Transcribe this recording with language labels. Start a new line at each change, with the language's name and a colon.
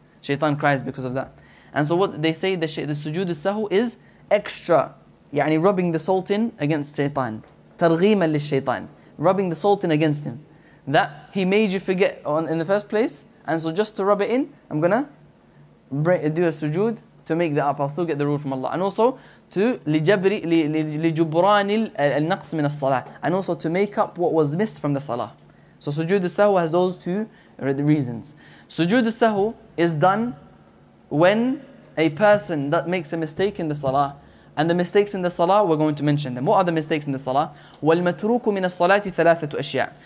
English: Shaitan cries because of that. And so what they say, the sujood al-sahu is extra,
Arabic: يعني
English: rubbing the salt in against shaitan.
Arabic: ترغيما للشيطان.
English: Rubbing the salt in against him. That he made you forget in the first place, and so just to rub it in, I'm gonna do a sujood to make that up. I'll still get the reward from Allah. And also to
Arabic: لجبري, لجبران النقص من الصلاة.
English: And also to make up what was missed from the salah. So sujood al-sahu has those two reasons. Sujood al-sahu is done when a person that makes a mistake in the salah, and the mistakes in the salah, we're going to mention them. What are the mistakes in the salah?
Arabic: وَالْمَتْرُوكُ مِنَ الصَّلَاةِ ثَلَاثَةُ أَشْيَاءٍ.